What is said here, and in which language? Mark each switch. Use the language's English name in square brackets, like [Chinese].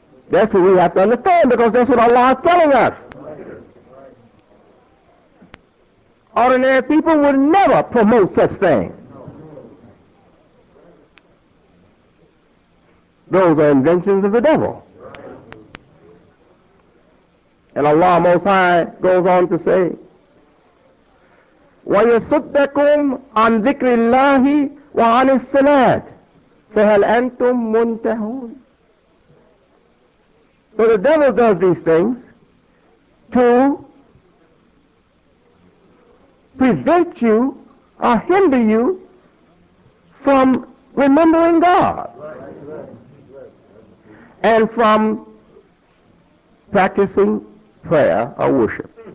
[English] That's what we have to understand, because that's what Allah is telling us. Ordinary people would never promote such things. Those are inventions of the devil. And Allah Most High goes on to say, [Arabic] وَيَسُدَّكُمْ عَنْ ذِكْرِ اللَّهِ وَعَنِ السَّلَاةِ فَهَلْ أَنْتُمْ مُنْتَهُونَ. [English] So the devil does these things to prevent you or hinder you from remembering God and from practicing prayer or worship.